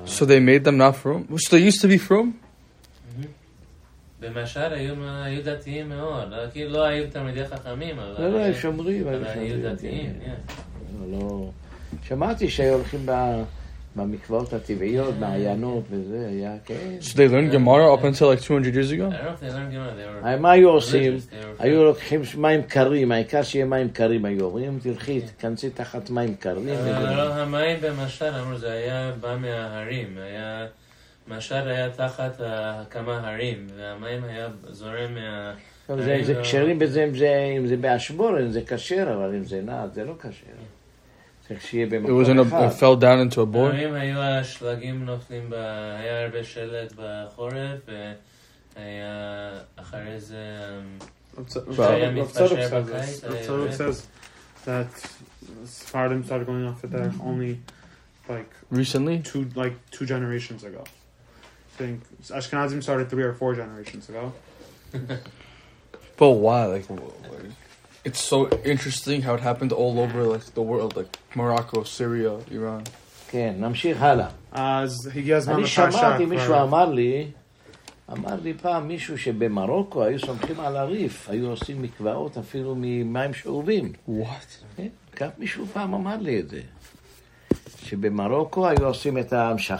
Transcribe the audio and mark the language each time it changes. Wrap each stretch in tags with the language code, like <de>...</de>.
<en>So they made them not from? So they used to be from?</en> <he>במשל, היו דתיים מאוד. לא היו תלמידי חכמים, אבל... לא, לא, שומרים. אבל היו דתיים, כן. שמעתי שהיו הולכים במקוואות הטבעיות, מעיינות וזה, היה כן.</he> <en>So they learned Gemara up until like 200 years ago? I don't know if they learned Gemara, they were...</en> <he>מה היו עושים? היו לוקחים מים קרים, העיקר שיהיה מים קרים היו. אם תלכי, תכנסי תחת מים קרים. לא, המים במשל, אמרו, זה היה בא מההרים, היה... משל היה תחת כמה הרים, והמים היה זורם מה... זה כשרים בזה, אם זה באשבורן, זה כשר, אבל אם זה נע, זה לא כשר. צריך שיהיה במקום אחד.</he> <en>It fell down into a bowl?</en> <he>הרים היו השלגים נופלים, היה הרבה שלג בחורף, והיה אחרי זה...</he> <en>That Sephardim started going off of there only like recently, two generations ago. I think Ashkenazim started 3 or 4 generations ago. But why? Like, it's so interesting how it happened all over like the world, like Morocco, Syria, Iran.</en> <he>כן, נמשיך הלאה. אז הגיע הזמן לפרשה. אני שמעתי מישהו אמר לי פעם מישהו שבמרוקו היו סומכים על הריף, היו עושים מקוואות אפילו ממים שאובים.</he> <en>What?</en> <he>כן, מישהו פעם אמר לי את זה. שבמרוקו היו עושים את המשחה.</he>